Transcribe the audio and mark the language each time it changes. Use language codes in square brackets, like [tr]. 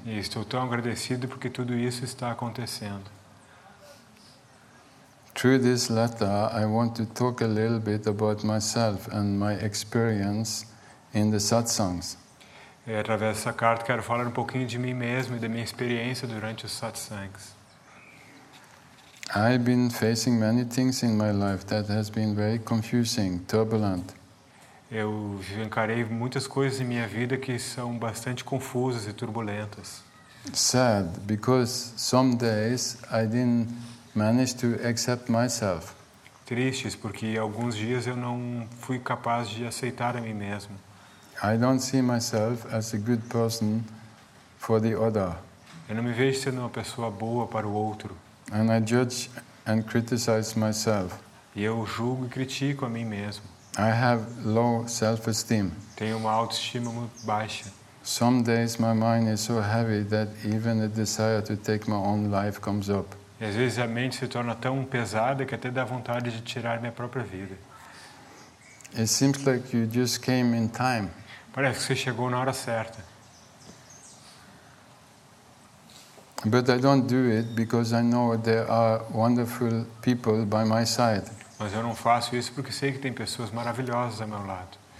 [pt] E estou tão agradecido porque tudo isso está acontecendo. [en] Through this letter, I want to talk a little bit about myself and my experience in the satsangs. [pt] Através dessa carta, quero falar um pouquinho de mim mesmo e da minha experiência durante os satsangs. [en] I've been facing many things in my life that has been very confusing, turbulent. [pt] Eu encarei muitas coisas em minha vida que são bastante confusas e turbulentas. [en] Sad, because some days I didn't managed to accept myself. [pt] Tristes, porque alguns dias eu não fui capaz de aceitar a mim mesmo. [en] I don't see myself as a good person for the other. [pt] Eu não me vejo sendo uma pessoa boa para o outro. [en] And I judge and criticize myself. [pt] E eu julgo e critico a mim mesmo. [en] I have low self-esteem. [pt] Tenho uma autoestima muito baixa. [en] Some days my mind is so heavy that even a desire to take my own life comes up. [pt] Às vezes a mente se torna tão pesada que até dá vontade de tirar minha própria vida. [en] It seems like you just came in time. [pt] Parece que você chegou na hora certa. [en] But I don't do it because I know there are wonderful people by my side. [pt] Mas eu não faço isso porque sei que tem pessoas maravilhosas ao meu lado.